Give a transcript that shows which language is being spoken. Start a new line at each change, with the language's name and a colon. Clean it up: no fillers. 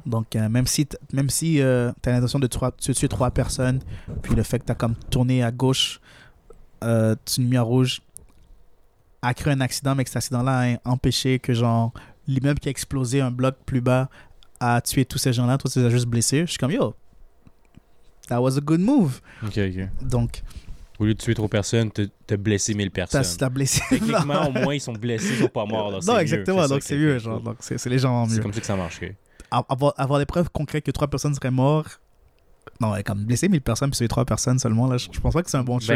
French: Donc, même si tu as l'intention de tuer 3 personnes, puis le fait que tu as comme tourné à gauche, tu une lumière rouge, a créé un accident, mais que cet accident-là a empêché que genre l'immeuble qui a explosé un bloc plus bas a tué tous ces gens-là, toi tu les as juste blessés. Je suis comme,
English: yo, that was a good move.
French: OK, OK. Donc... Au lieu de tuer 3 personnes, t'as blessé 1000 personnes. T'as blessé. Techniquement, au moins, ils sont blessés, ils sont pas morts. Non, exactement. Donc, c'est mieux. Donc, c'est légèrement mieux. C'est comme ça que ça marche. Avoir des preuves concrètes que 3 personnes seraient mortes. Non, comme blesser 1000 personnes puis tuer 3 personnes seulement, là, je pense pas que c'est un bon trade.